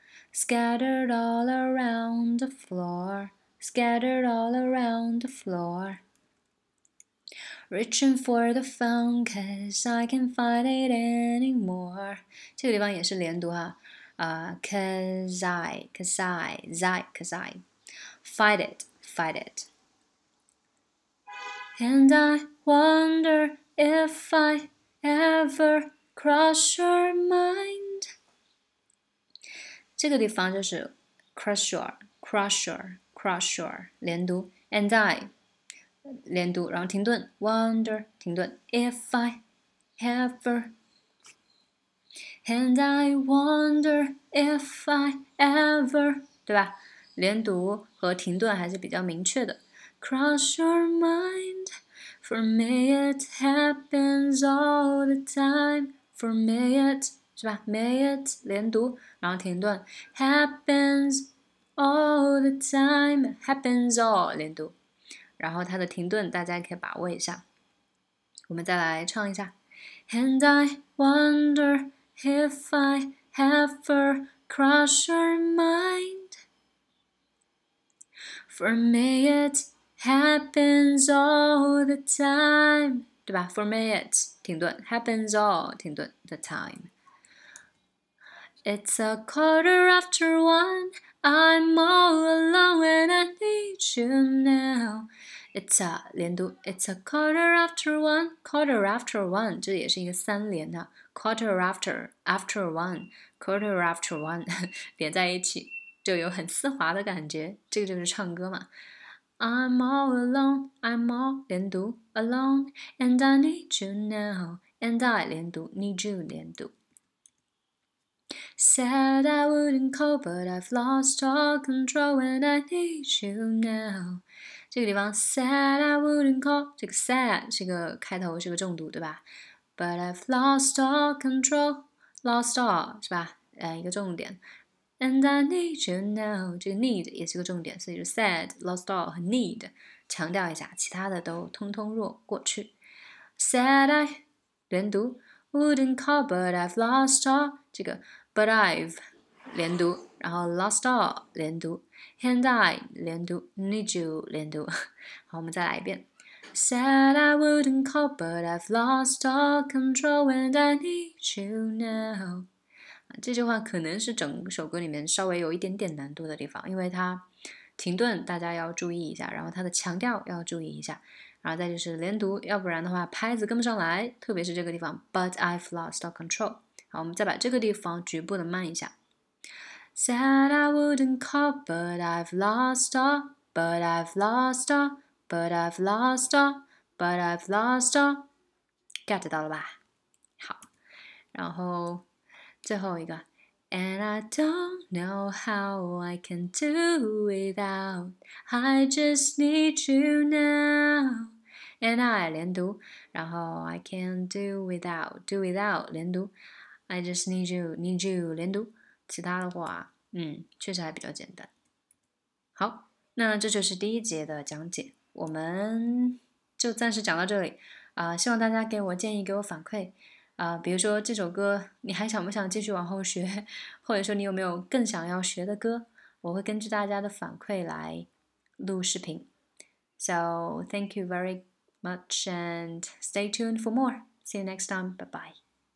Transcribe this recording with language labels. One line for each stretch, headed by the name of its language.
English: Scattered all around the floor, scattered all around the floor. Reaching for the phone, cause I can't find it anymore.
Chinese: 这个地方也是连读哈，
English: cause I, fight it. And I wonder if I ever cross your mind.
Chinese: 这个地方就是
English: crusher
Chinese: 连读，
English: and I 连读，
Chinese: 然后停顿，
English: wonder
Chinese: 停顿，
English: if I ever，and I wonder if I ever，
Chinese: 对吧？连读和停顿还是比较明确的。
English: Cross your mind, for me it happens all the time, for me it。
Chinese: 是吧？
English: May it
Chinese: 连读，然后停顿。
English: Happens all the time. Happens all
Chinese: 连读，然后它的停顿大家可以把握一下。我们再来唱一下。
English: And I wonder if I ever cross your mind. For me it happens all the time.
Chinese: 对吧？
English: For me it
Chinese: 停顿。
English: Happens all 停顿 the time。 It's a quarter after one. I'm all alone and I need you now. It's a
Chinese: 连读。
English: It's a quarter after one. Quarter after one，
Chinese: 这也是一个三连的。
English: Quarter after one. Quarter after one，
Chinese: 连在一起就有很丝滑的感觉。这个就是唱歌嘛。
English: I'm all alone. I'm all
Chinese: 连读
English: alone and I need you now. And I
Chinese: 连读
English: need you 连读。 Said I wouldn't call, but I've lost all control and I need you now.
Chinese: 这个地方
English: said I wouldn't call，
Chinese: 这个
English: said
Chinese: 是个开头，是个重读，对吧？
English: But I've lost all control, lost all
Chinese: 是吧？一个重点。
English: And I need you now，
Chinese: 这个 need 也是个重点，所以就
English: said, lost all
Chinese: 和 need 强调一下，其他的都通通弱过去。
English: Said I
Chinese: 连读
English: wouldn't call, but I've lost all
Chinese: 这个。
English: But I've 连读，
Chinese: 然后
English: lost all 连读。 And I
Chinese: 连读
English: need you 连读。
Chinese: 好，我们再来一遍。
English: Said I wouldn't call, but I've lost all control and I need you now。
Chinese: 这句话可能是整首歌里面稍微有一点点难度的地方，因为它停顿大家要注意一下，然后它的强调要注意一下，然后再就是连读，要不然的话拍子跟不上来，特别是这个地方
English: But I've lost all control。
Chinese: 好，我们再把这个地方局部的慢一下。
English: Said I wouldn't call, but I've lost all, but I've lost all, but I've lost all, but I've lost all。
Chinese: get 到了吧？好，然后最后一个。
English: And I don't know how I can do without, I just need you now。 And I
Chinese: 连读，然后
English: I can do without, do without 连读， I just need you, need you 连读。
Chinese: 其他的话确实还比较简单。好，那这就是第一节的讲解，我们就暂时讲到这里。希望大家给我建议，给我反馈。比如说这首歌你还想不想继续往后学，或者说你有没有更想要学的歌，我会根据大家的反馈来录视频。
English: So thank you very much and stay tuned for more. See you next time. Bye bye.